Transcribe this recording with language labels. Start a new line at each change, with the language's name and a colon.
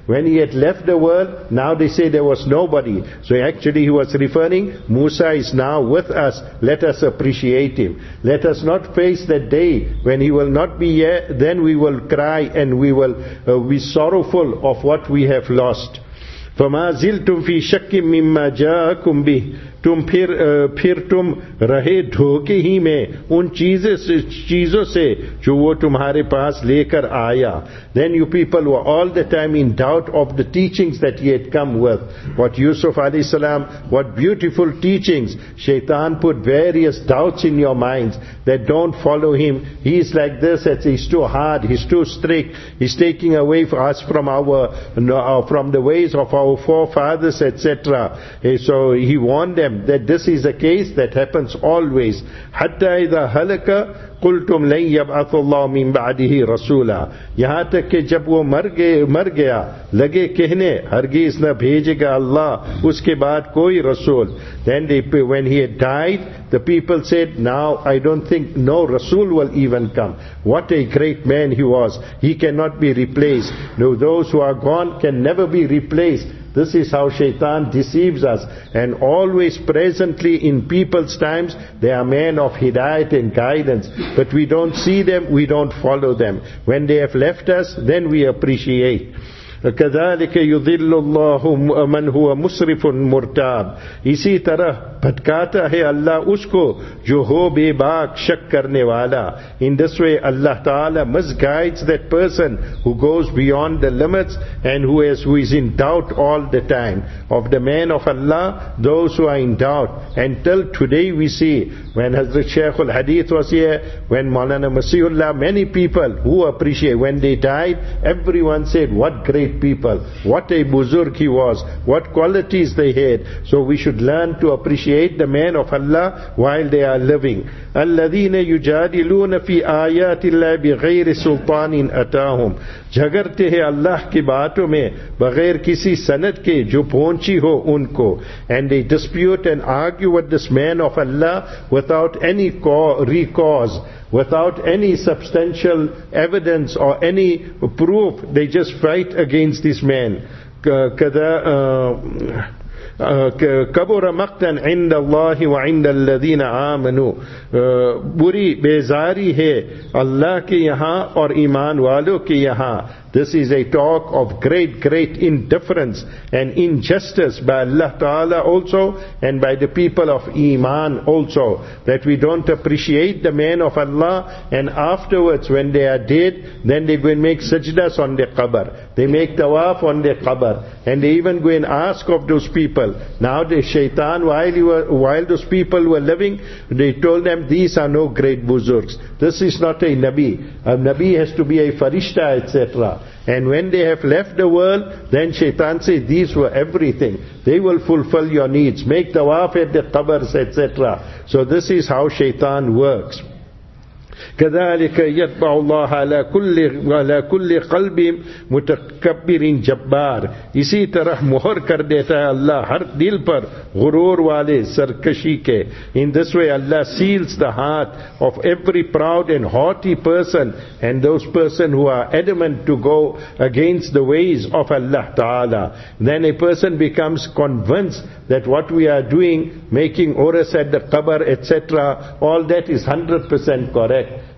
English: When he had left the world, now they say there was nobody. So actually he was referring, Musa is now with us, let us appreciate him. Let us not face that day when he will not be here, then we will cry and we will be sorrowful of what we have lost.
Arabic: فَمَا زِلْتُمْ فِي شَكِّمْ مِمَّا جَاءَكُمْ بِهِ.
Urdu: تم پھر تم رہے دھوکے ہی میں ان چیزوں سے جو وہ تمہارے پاس لے کر آیا.
English: Then you people were all the time in doubt of the teachings that he had come with. What Yusuf alayhi salam, what beautiful teachings. Shaitan put various doubts in your minds that don't follow him. He is like this, he's too hard, he's too strict, he's taking away from us from the ways of our forefathers, etc. So he warned them that this is a case that happens always.
Arabic: Hatta idha halaka قُلْتُمْ لَنْ يَبْعَثُ اللَّهُ مِنْ بَعْدِهِ رَسُولًا.
Urdu: یہاں تک کہ جب وہ مر گیا لگے کہنے ہرگز نہ بھیجے گا اللہ اس کے بعد کوئی رسول.
English: Then when he had died, the people said, now I don't think no Rasul will even come. What a great man he was. He cannot be replaced. No, those who are gone can never be replaced. This is how shaitan deceives us. And always presently in people's times, they are men of hidayat and guidance. But we don't see them, we don't follow them. When they have left us, then we appreciate.
Arabic: كَذَلِكَ يُذِلُّ اللَّهُ مَنْ هُوَ مُسْرِفٌ مُرْتَابٌ.
Urdu: اسی طرح بھٹکاتا ہے اللہ اس کو جو ہو بے باک شک کرنے والا.
English: In this way, Allah Ta'ala misguides that person who goes beyond the limits and who is in doubt all the time. Of the man of Allah, those who are in doubt. Until today we see, when Hazrat Shaykh al-Hadith was here, when Maulana Masihullah, many people who appreciate, when they died, everyone said, what great people, what a buzurg he was, what qualities they had. So we should learn to appreciate the man of Allah while they are living.
Arabic: الَّذِينَ يُجَادِلُونَ فِي آيَاتِ اللَّهِ بِغَيْرِ سُلْطَانٍ أَتَاهُمْ.
Urdu: جھگڑتے ہیں اللہ کی باتوں میں بغیر کسی سند کے جو پہنچی ہو ان کو.
English: And they dispute and argue with this man of Allah without any recourse, without any substantial evidence or any proof. They just fight against this man.
Arabic: كَبُرَ مَقْتًا عِنْدَ اللَّهِ وَعِنْدَ الَّذِينَ آمَنُوا.
Urdu: بری بیزاری ہے اللہ کے یہاں اور ایمان والوں کے یہاں.
English: This is a talk of great, great indifference and injustice by Allah Ta'ala also and by the people of Iman also, that we don't appreciate the man of Allah, and afterwards when they are dead, then they go and make sajdas on their qabr. They make tawaf on their qabr. And they even go and ask of those people. Now the shaitan, while those people were living, they told them, these are no great buzurgs. This is not a Nabi. A Nabi has to be a farishta, etc. And when they have left the world, then shaitan says, these were everything. They will fulfill your needs. Make tawaf at the qabrs, etc. So this is how shaitan works.
Arabic: كذلك يطبع الله على كل قلب متكبر جبار.
Urdu: اسی طرح مہر کر دیتا ہے اللہ ہر دل پر غرور والے سرکشی کے.
English: In this way Allah seals the heart of every proud and haughty person and those person who are adamant to go against the ways of Allah Ta'ala. Then a person becomes convinced that what we are doing, making oras at the qabr, etc., all that is 100% correct.